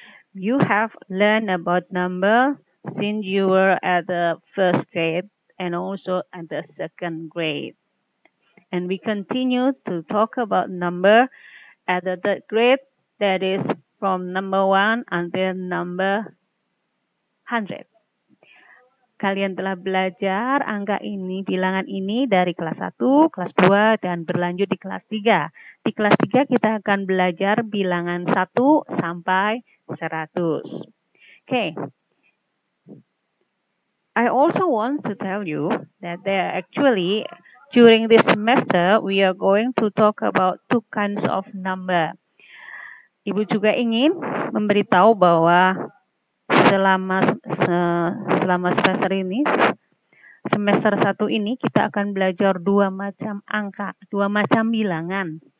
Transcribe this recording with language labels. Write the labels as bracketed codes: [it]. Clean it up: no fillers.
[en] You have learned about number since you were at the first grade and also at the second grade. And we continue to talk about number at the third grade, that is from number one until number 100. [id] Kalian telah belajar angka ini, bilangan ini dari kelas 1, kelas 2, dan berlanjut di kelas 3. Di kelas 3 kita akan belajar bilangan 1 sampai 100. Okay. [en] I also want to tell you that there are actually, during this semester, we are going to talk about two kinds of number. [id] Ibu juga ingin memberitahu bahwa selama semester ini, semester 1 ini, kita akan belajar dua macam angka, dua macam bilangan.